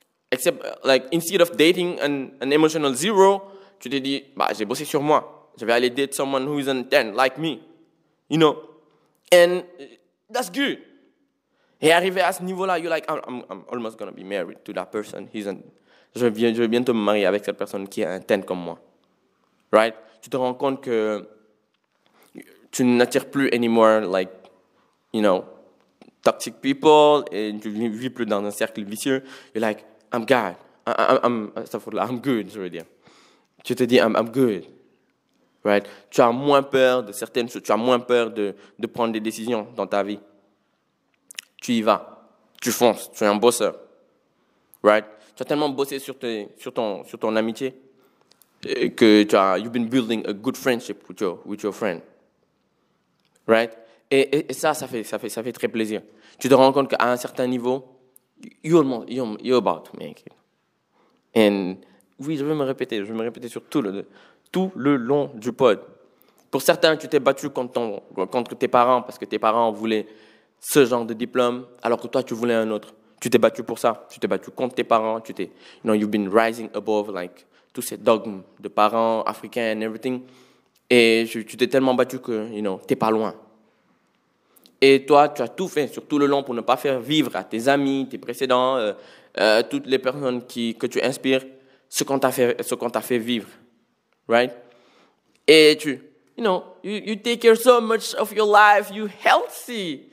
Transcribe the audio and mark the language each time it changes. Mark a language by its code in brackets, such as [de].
[en] Except, like, instead of dating an emotional zero, [fr] tu t'es dit, bah, j'ai bossé sur moi. Je vais aller [en] date someone who is a 10, like me. You know? And that's good. [fr] Et arrivé à ce niveau-là, [en] you're like, I'm almost going to be married to that person. [fr] Je vais bientôt me marier avec cette personne qui est un 10 comme moi. Right? Tu te rends compte que tu n'attires plus [en] anymore, like, you know, toxic people, [fr] et tu ne vis plus dans un cercle vicieux. [en] You're like, I'm good, [fr] je veux dire. Tu te dis, [en] I'm good. Right? [fr] Tu as moins peur de certaines choses. Tu as moins peur de prendre des décisions dans ta vie. Tu y vas. Tu fonces. Tu es un bosseur. Right? Tu as tellement bossé sur ton amitié que [en] you've been building a good friendship with your friend. [fr] Right? Et ça fait très plaisir. Tu te rends compte qu'à un certain niveau, [en] you're about to make it. [fr] And oui, je vais me répéter sur tout le long du pod. Pour certains, tu t'es battu contre tes parents parce que tes parents voulaient ce genre de diplôme alors que toi tu voulais un autre. Tu t'es battu pour ça. Tu t'es battu contre tes parents. You know, you've been rising above like tous ces dogmes de parents africains and everything. Et tu t'es tellement battu que, [en] you know, [fr] t'es pas loin. Et toi, tu as tout fait sur tout le long pour ne pas faire vivre à tes amis, tes précédents, toutes les personnes que tu inspires, ce qu'on t'a fait vivre. [en] Right? [fr] Et tu, [en] you know, you take care so much of your life, you healthy.